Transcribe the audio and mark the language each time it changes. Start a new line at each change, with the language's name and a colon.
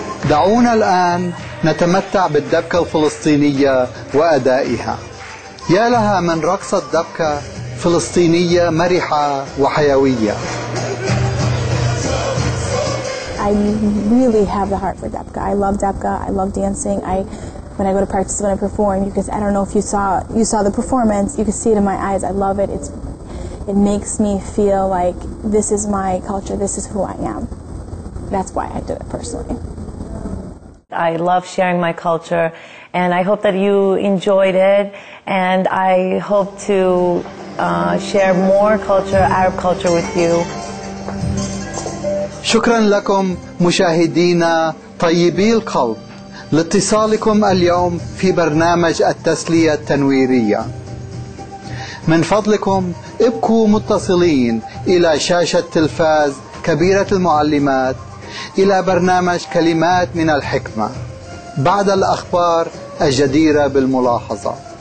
Arabic: دعونا الآن نتمتع بالدبكة الفلسطينية وأدائها. يا لها من رقصة دبكة فلسطينية مرحة وحيوية.
English: I really have the heart for Dabka. I love Dabka. I love dancing. When I go to practice, when I perform, because I don't know if you saw the performance, you can see it in my eyes. I love it. It makes me feel like this is my culture. This is who I am. That's why I did it personally. I love sharing my culture, and I hope that you enjoyed it. And I hope to share more culture, Arab culture, with you.
Arabic: شكرا لكم مشاهدينا طيبي القلب لاتصالكم اليوم في برنامج التسلية التنويرية. من فضلكم ابقوا متصلين إلى شاشة تلفاز كبيرة المعلمات إلى برنامج كلمات من الحكمة بعد الأخبار الجديرة بالملاحظة.